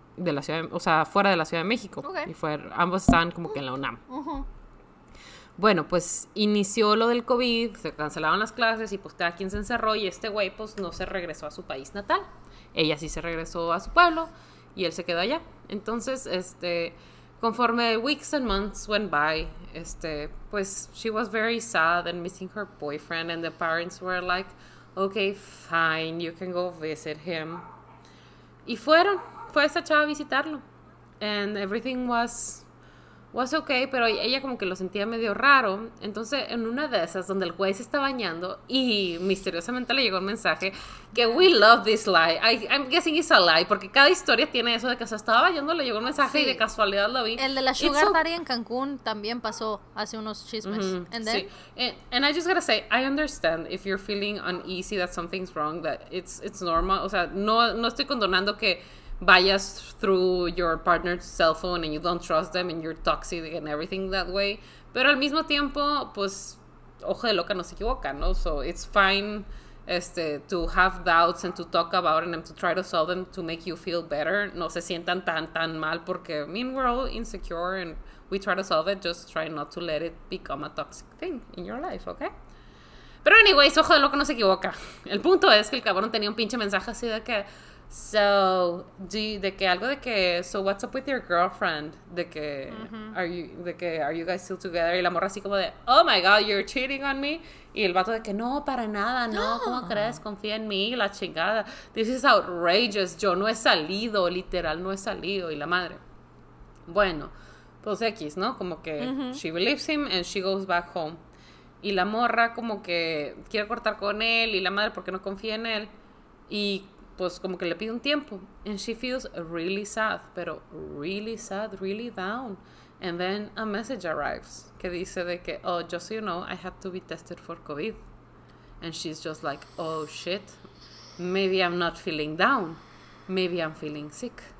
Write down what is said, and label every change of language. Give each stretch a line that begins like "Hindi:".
Spanish: de la ciudad, o sea, fuera de la Ciudad de México. Okay. Y fue, ambos estaban como que en la UNAM. Bueno, pues inició lo del COVID, se cancelaron las clases y pues cada quien se encerró y este güey pues no se regresó a su país natal. Ella sí se regresó a su pueblo y él se quedó allá. Entonces, conforme
English: weeks and months went by, pues she was very sad and missing her boyfriend and the parents were like, okay, fine, you can go visit him.
Spanish: Y fueron, fue esta chava a visitarlo.
English: And everything was okay,
Spanish: pero ella como que lo sentía medio raro. Entonces, en una de esas, donde el güey se está bañando, y misteriosamente le llegó un mensaje, que
English: we love this lie. I'm guessing it's a lie,
Spanish: porque cada historia tiene eso de que se estaba bañando, le llegó un mensaje, sí. Y de casualidad lo vi. El de la Sugar Daddy en Cancún también pasó hace unos chismes.
English: Mm-hmm. And then,
Spanish: sí.
English: And I just gotta say, I understand if you're feeling uneasy that something's wrong, that it's normal.
Spanish: O sea, no estoy condonando que vayas
English: through your partner's cell phone and you don't trust them and you're toxic and everything that way.
Spanish: Pero al mismo tiempo, pues, ojo de loca no se equivoca, ¿no?
English: So it's fine to have doubts and to talk about them, to try to solve them to make you feel better.
Spanish: No se sientan tan mal porque,
English: I mean, we're all insecure and we try to solve it. Just try not to let it become a toxic thing in your life, okay?
Spanish: Pero anyways, ojo de loca no se equivoca. El punto es que el cabrón tenía un pinche mensaje así de que
English: So what's up with your girlfriend? Are you guys still together?
Spanish: Y la morra así como de,
English: oh my god, you're cheating on me.
Spanish: Y el vato de que no, para nada, no, ¿cómo crees? Confía en mí, la chingada.
English: This is outrageous,
Spanish: yo no he salido, literal, no he salido. Y la madre, bueno, pues X, ¿no?
English: Como que she believes him and she goes back home.
Spanish: Y la morra como que quiere cortar con él y la madre porque no confía en él. Y pues como que le pide un tiempo.
English: And she feels really sad, pero really sad, really down. And then a message arrives
Spanish: que dice de que,
English: oh, just so you know, I had to be tested for COVID. And she's just like, oh shit, maybe I'm not feeling down, maybe I'm feeling sick.